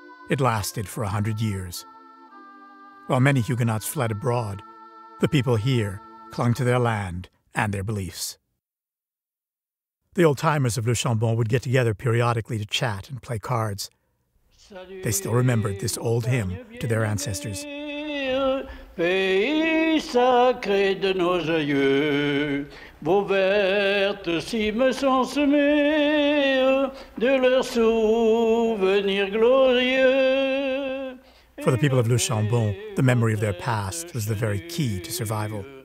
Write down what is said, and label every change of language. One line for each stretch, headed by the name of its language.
English: It lasted for 100 years. While many Huguenots fled abroad, the people here clung to their land and their beliefs. The old-timers of Le Chambon would get together periodically to chat and play cards. They still remembered this old hymn to their ancestors.
French: Pays sacré de nos aïeux, vos vertes cimes sont semées de leurs souvenirs glorieux.
English: For the people of Le Chambon, the memory of their past was the very key to survival.